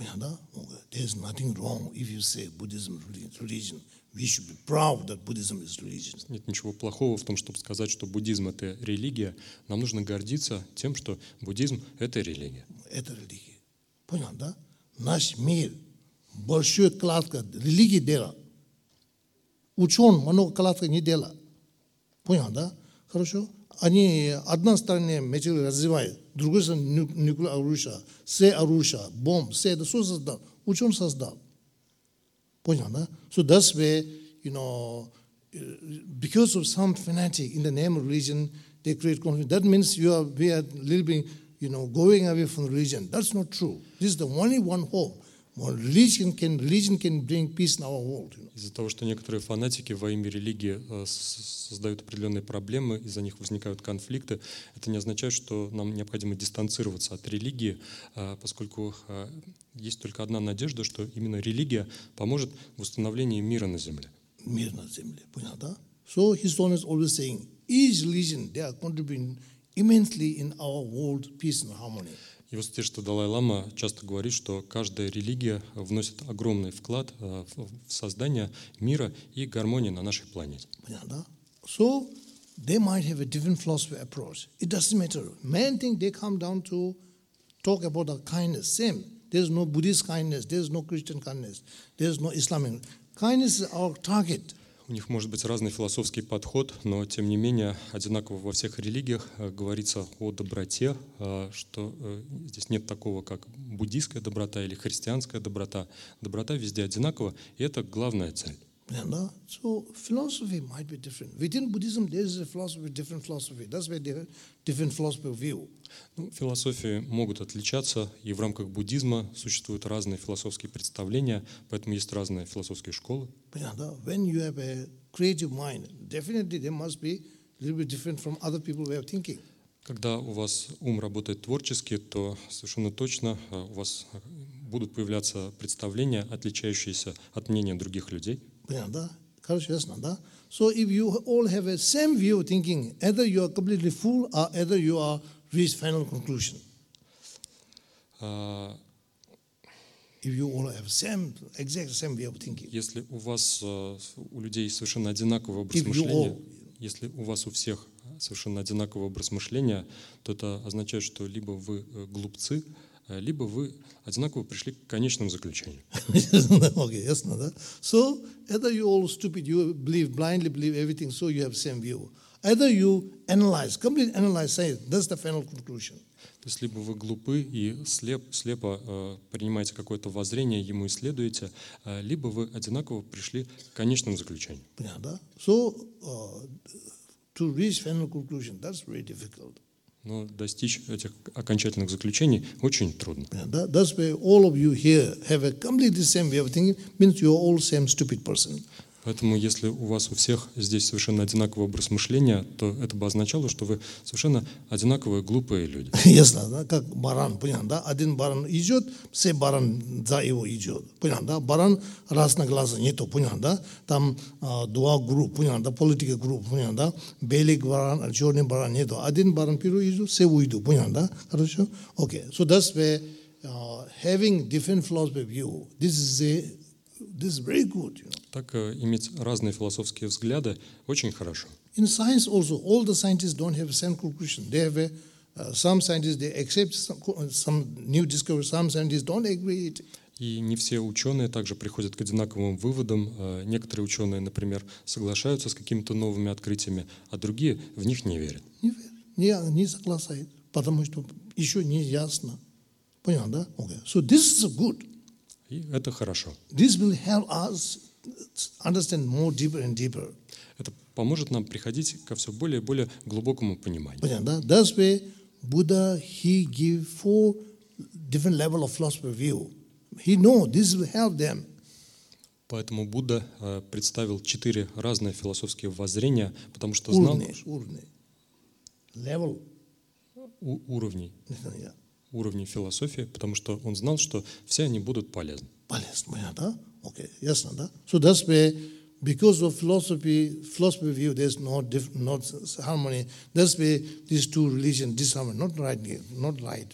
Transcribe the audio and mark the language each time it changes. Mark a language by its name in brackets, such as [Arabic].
[Russian] Понятно? [English] There's nothing wrong if you say Buddhism is religion. We should be proud that Buddhism is religion. [Russian] Нет ничего плохого в том, чтобы сказать, что буддизм это религия. Нам нужно гордиться тем, что буддизм это религия. Это религия. Понятно, да? Наш мир большой кладка религии дела. Ученые много кладка не дела. Понятно, да? Хорошо? Они одна сторона материал развивает, другая сторона нюклеарное оружие, все оружие, бомб, все это все создал. Ученый создал. Понятно, да? [English] So that's where, you know, because of some fanatic in the name of religion, they create conflict. That means we are a little bit, you know, going away from religion. That's not true. This is the only one hope. Religion can bring peace in our world. You know. [Russian] Из-за того, что некоторые фанатики во имя религии создают определенные проблемы, из-за них возникают конфликты, это не означает, что нам необходимо дистанцироваться от религии, поскольку есть только одна надежда, что именно религия поможет в установлении мира на земле. Мир на земле, понятно, да? [English] So his son is always saying, is religion, they are contributing immensely in our world peace and harmony. [Russian] И вот те, что Далай-лама часто говорит, что каждая религия вносит огромный вклад в создание мира и гармонии на нашей планете. Понятно, да? [English] So they might have a different philosophy approach. It doesn't matter. Main thing they come down to talk about the kindness. Same. There's no Buddhist kindness, there's no Christian kindness, there's no Islamic. Kindness is our target. [Russian] У них может быть разный философский подход, но тем не менее одинаково во всех религиях говорится о доброте, что здесь нет такого, как буддийская доброта или христианская доброта. Доброта везде одинакова, и это главная цель. [English] Yeah, no? So philosophy might be different. Within Buddhism there is a philosophy, different philosophy. That's why they have different philosophy view. [Russian] Ну, философии могут отличаться, и в рамках буддизма существуют разные философские представления, поэтому есть разные философские школы. Понятно? [English] When you have a creative mind, definitely they must be a little bit different from other people's way of thinking. [Russian] Когда у вас ум работает творчески, то совершенно точно у вас будут появляться представления, отличающиеся от мнения других людей. Понятно, да? Короче, ясно, да? [English] So if you all have a same view of thinking, either you are completely fool or either you are reach final conclusion. If you all have exact same way of thinking. [Russian] Если у вас у людей совершенно одинаковый образ мышления, если у вас у всех совершенно одинаковый образ мышления, то это означает, что либо вы глупцы, либо вы одинаково пришли к конечному заключению. Okay, ясно, да? [English] So either you all stupid, you believe blindly believe everything, so you have same view. Either you analyze, completely analyze, say it, that's the final conclusion. [Russian] То есть либо вы глупы и слепо принимаете какое-то воззрение, ему и следуете, либо вы одинаково пришли к конечному заключению. Понятно, да? [English] So, to reach final conclusion, that's very difficult. [Russian] Но достичь этих окончательных заключений очень трудно. Понятно, да? [English] That's why all of you here have a completely same way of thinking, means you're all same stupid person. [Russian] Поэтому, если у вас у всех здесь совершенно одинаковый образ мышления, то это бы означало, что вы совершенно одинаковые глупые люди. Ясно, да? Как баран, понятно, да? Один баран идет, все баран за его идет. Понятно, да? Баран разноглазый, не то, понятно, да? Там два группы, понятно, да? Политика группы, понятно, да? Белый баран, черный баран, не то. Один баран первый идет, все уйдут, понятно, да? Хорошо? Окей. [English] So that's where having different philosophy view, this is very good, you know. [Russian] Так иметь разные философские взгляды очень хорошо. [English] In science also, all the scientists don't have the same conclusion. They have some scientists they accept some new discovery, some scientists don't agree it. [Russian] И не все ученые также приходят к одинаковым выводам. Некоторые ученые, например, соглашаются с какими-то новыми открытиями, а другие в них не верят. Не верят, не согласают, потому что еще не ясно. Понятно, да? [English] Okay. So this is good. [Russian] И это хорошо. [English] This will help us understand more deeper and deeper. [Russian] Это поможет нам приходить ко все более и более глубокому пониманию. Понятно, да? [English] That's why Buddha, he gave four different level of philosophy view. He know this will help them. [Russian] Поэтому Будда представил четыре разные философские воззрения, потому что уровни, знал... Уровни. Level. Уровней. [English] Yeah. [Russian] Уровней философии, потому что он знал, что все они будут полезны. Полезны, понятно, да? Okay, ясно, да? [English] So that's why, because of philosophy view, there's not harmony. That's why these two religions disharmony, not right.